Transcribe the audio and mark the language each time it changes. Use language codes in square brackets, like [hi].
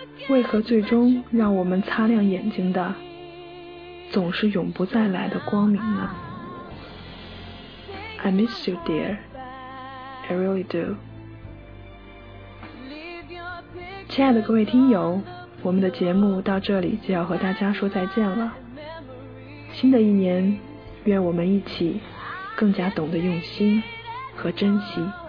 [zh] 为何最终让我们擦亮眼睛的总是永不再来的光明呢？ [en] I miss you dear,I really do. [zh] 亲爱的各位听友，我们的节目到这里就要和大家说再见了。新的一年，愿我们一起更加懂得用心和珍惜。